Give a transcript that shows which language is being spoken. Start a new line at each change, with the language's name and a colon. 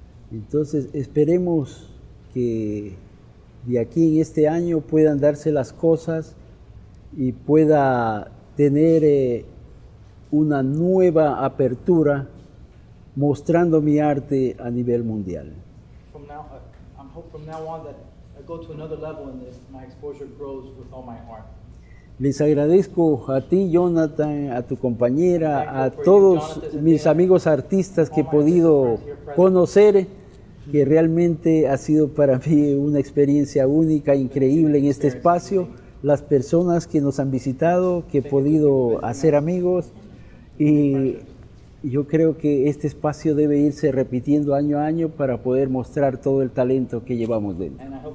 Spanish: Entonces, esperemos que de aquí en este año puedan darse las cosas y pueda tener una nueva apertura mostrando mi arte a nivel mundial.
English: From now, I hope from now on that I go to another level and that my exposure grows with all my art.
Spanish: Les agradezco a ti, Jonathan, a tu compañera, a todos mis amigos artistas que he podido conocer, que realmente ha sido para mí una experiencia única, increíble en este espacio. Las personas que nos han visitado, que he podido hacer amigos y yo creo que este espacio debe irse repitiendo año a año para poder mostrar todo el talento que llevamos dentro.